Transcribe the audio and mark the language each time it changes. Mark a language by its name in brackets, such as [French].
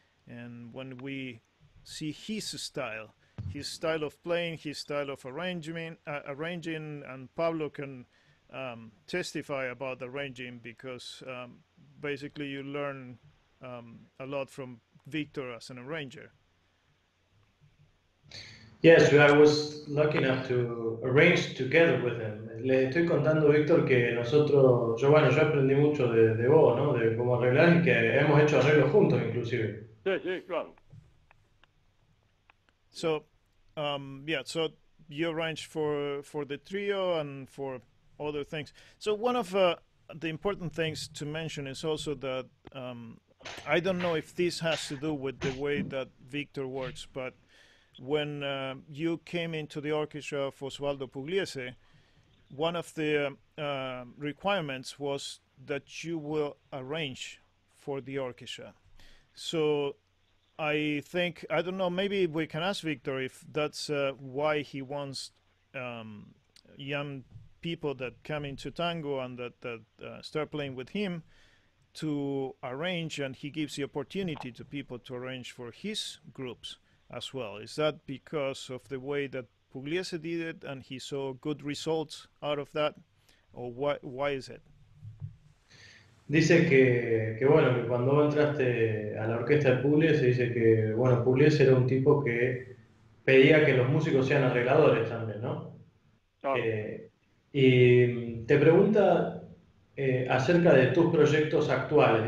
[English] And when we see his style of playing, his style of arranging, and Pablo can... testify about the arranging, because basically you learn a lot from Victor as an arranger. Yes, I was lucky enough to arrange together with him. [Spanish] Le estoy contando, Victor, que nosotros, yo aprendí mucho de vos, ¿no? De cómo arreglar, y que hemos hecho arreglos juntos, inclusive. Sí, claro. [English] So, so you arranged for the trio and for other things. So one of the important things to mention is also that I don't know if this has to do with the way that Victor works, but when you came into the orchestra of Osvaldo Pugliese, one of the requirements was that you will arrange for the orchestra. So I think, I don't know, maybe we can ask Victor if that's why he wants Jan people that come into tango and that start playing with him to arrange, and he gives the opportunity to people to arrange for his groups as well. Is that because of the way that Pugliese did it and he saw good results out of that, or why is it? [Spanish] Dice que bueno, que cuando entraste a la orquesta de Pugliese, dice que bueno, Pugliese era un tipo que pedía que los músicos sean arregladores también, ¿no? Y te pregunta acerca de tus proyectos actuales.